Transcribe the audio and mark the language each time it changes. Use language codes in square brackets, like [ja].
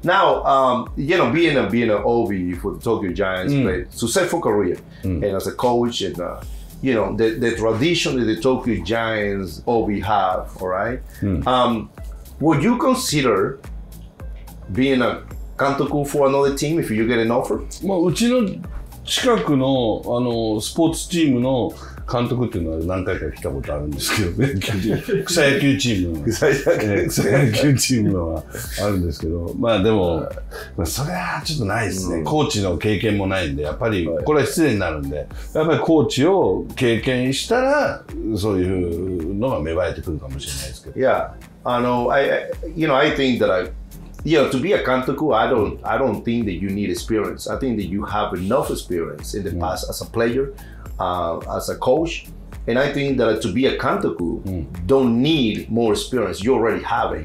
[en] Now, you know, being an OB for the Tokyo Giants, played successful career, and as a coach, and you know, the tradition that the Tokyo Giants OB have, all right? Would you consider being a 監督 for another team if you get an offer? [ja] Well, うちの近く の, あのスポーツチームの監督っていうのは何回か来たことあるんですけどね。草野球チーム草野球チームのはあるんですけど、まあでも、まあ、それはちょっとないですね、うん、コーチの経験もないんで、やっぱりこれは失礼になるんで、やっぱりコーチを経験したらそういうのが芽生えてくるかもしれないですけど。 [en] いや、あの、I, you know, I think that I, you know, to be a kantoku, I don't think that you need experience. I think that you have enough experience in the past as a player, as a coach. And I think that to be a kantoku, don't need more experience. You already have it.